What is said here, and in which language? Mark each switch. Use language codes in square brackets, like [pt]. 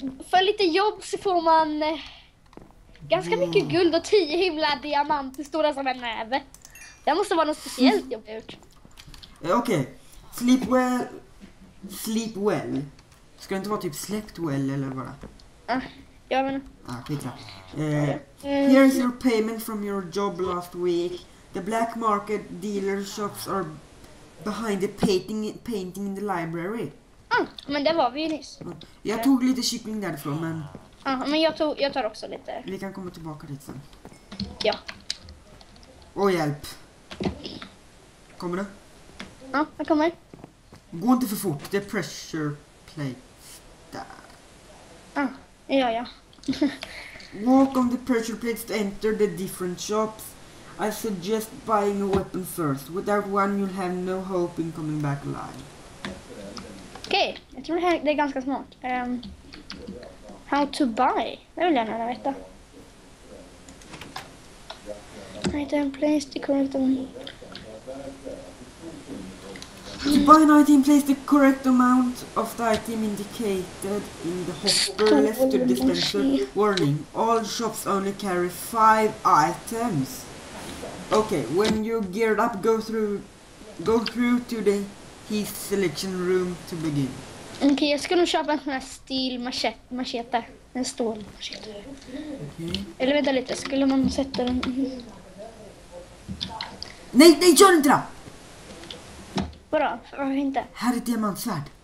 [sv] För lite jobb så får man ganska mycket Wow. guld och 10 himla diamanter stora som en näve. Det måste vara något speciellt jobb jag gjort. [en] Okej. Sleep well. Sleep well. [sv] Ska det inte vara typ [en] slept well [sv] eller bara? Jag menar. Ah, skitsamma. [en] Here's your payment from your job last week. The black market dealer shops are behind the painting in the library. [sv] Men det var vi ju nyss. Jag tog lite kyckling därifrån, men Men jag tar också lite. vi kan komma tillbaka dit sen. Ja. Åh, hjälp. Kommer du? Ja, jag kommer. Gå inte för fort, det är pressure plate. Ja. [en] Walk on the pressure plates to enter the different shops. I suggest buying a weapon first. Without one you'll have no hope in coming back alive. [sv] Okej, jag tror det är ganska smart. [en] How to buy? [sv] Det vill jag gärna veta. [en] Item place the correct To buy an item, place the correct amount of the item indicated in the hopper left to dispenser. Warning, all shops only carry 5 items. Okay, when you geared up, go through to the heat selection room to begin. [sv] Okej, jag ska nog köpa en sån här stil machete. En stål machete. [en] Okay. [sv] Eller vänta lite, skulle man sätta den... Nej, nej, gör inte det! Bra, varför inte? Här är ett diamantsvärd.